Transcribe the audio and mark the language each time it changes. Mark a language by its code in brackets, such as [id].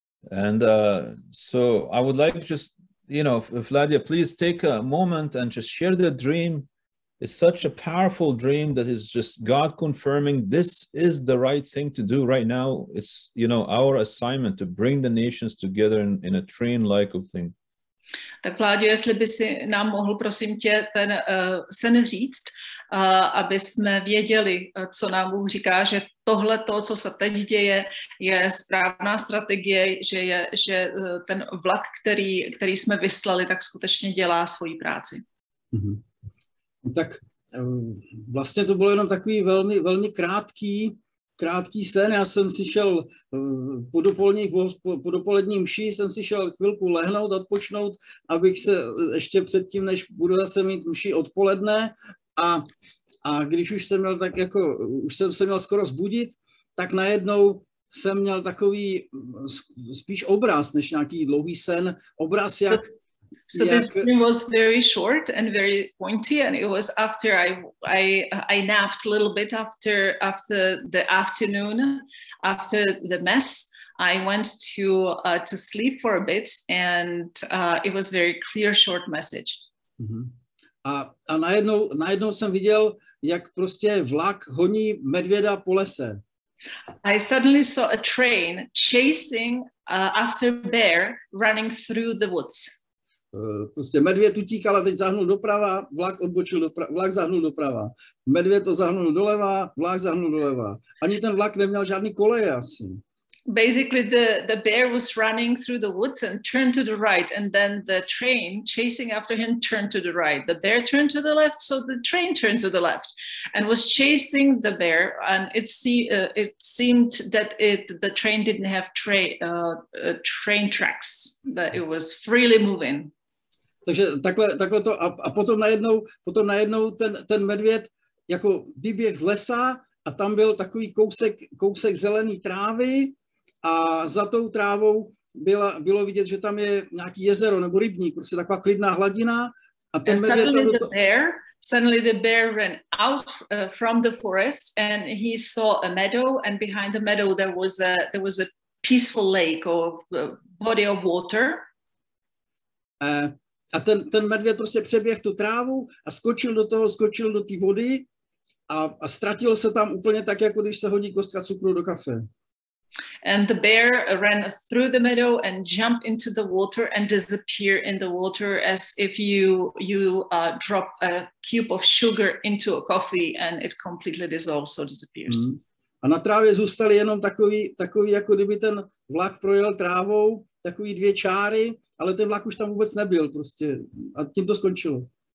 [en] And so I would like just, you know, Vladia, please take a moment and just share the dream. It's such a powerful dream that is just God confirming this is the right thing to do right now. It's, you know, our assignment to bring the nations together in a train-like of thing. [cs] Tak Vládě, jestli by si nám mohl, prosím tě, ten sen říct, aby jsme věděli, co nám Bůh říká, že tohle to, co se teď děje, je správná strategie, že ten vlak, který jsme vyslali, tak skutečně dělá svoji práci. Mm-hmm. Tak vlastně to bylo jenom takový velmi, velmi krátký sen. Já jsem si šel po dopolední mši, jsem si šel chvilku lehnout, odpočnout, abych se ještě předtím, než budu zase mít mši odpoledne, a když už jsem měl tak jako, už jsem se měl skoro zbudit, tak najednou jsem měl takový spíš obraz, než nějaký dlouhý sen, obraz jak... [en] So this dream was very short and very pointy, and it was after I napped a little bit after the afternoon, after the mess, I went to sleep for a bit, and it was very clear short message. Mm-hmm. [cs] A najednou jsem viděl, jak prostě vlak honí medvěda po lese. [en] I suddenly saw a train chasing after a bear running through the woods. [cs] Prostě medvěd utíkal a teď zahnul doprava, vlak odbočil doprava, vlak zahnul doprava. Medvěd to zahnul doleva, vlak zahnul doleva. Ani ten vlak neměl žádný koleje asi. [en] Basically the bear was running through the woods and turned to the right, and then the train chasing after him turned to the right. The bear turned to the left, so the train turned to the left and was chasing the bear, and it seemed that the train didn't have train tracks, that it was freely moving. [cs] Takže takhle to a potom najednou ten medvěd jako vyběh z lesa a tam byl takový kousek zelený trávy. A za tou trávou bylo vidět, že tam je nějaký jezero nebo rybník, prostě taková klidná hladina. A ten medvěd [en] suddenly the bear ran out from the forest and he saw a meadow, and behind the meadow there was a peaceful lake or body of water. [cs] A ten medvěd prostě přeběh tu trávu a skočil do té vody a ztratil se tam úplně tak, jako když se hodí kostka cukru do kafe. [en] And the bear ran through the meadow and jumped into the water and disappeared in the water as if you drop a cube of sugar into a coffee and it completely dissolves or disappears. Mm. [cs] A na trávě zůstaly jenom takový, jako kdyby ten vlak projel trávou, takový dvě čáry, ale ten vlak už tam vůbec nebyl prostě a tím to skončilo.